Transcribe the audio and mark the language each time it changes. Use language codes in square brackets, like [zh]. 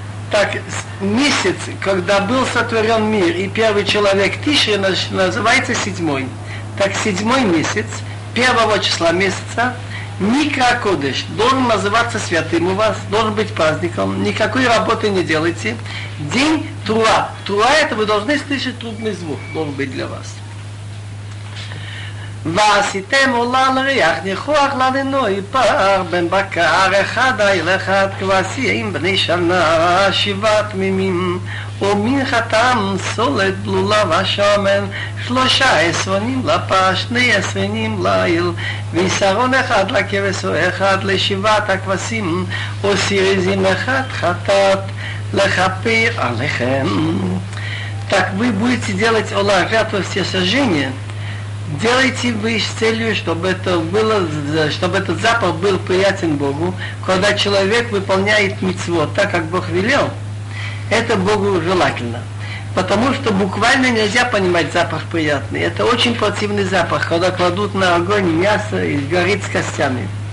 [ru] Так, месяц, когда был сотворен мир, и первый человек Тишри называется седьмой. Так, седьмой месяц, первого числа месяца, Никра Кодеш, должен называться святым у вас, должен быть праздником, никакой работы не делайте. День Труа. Труа – это вы должны слышать трубный звук, должен быть для вас. [he] ועשיתם עולה לריח ניחוח לנינוי פר בן בקר אחד איל אחד כבשים בני שנה שבעת מימים ומין חתם סולת בלולה ושומן שלושה עשרונים לפה שני עשרונים ליל ועשרון אחד לכבש או אחד לשבעת הכבשים וסיריזים אחד חטאת לחפיר עליכם. [ru] Так вы будете делать עולה жертву всесожжения. Делайте вы с целью, чтобы этот запах был приятен Богу, когда человек выполняет мицвот так, как Бог велел, это Богу желательно. Потому что буквально нельзя понимать запах приятный. Это очень противный запах, когда кладут на огонь мясо и горит с костями.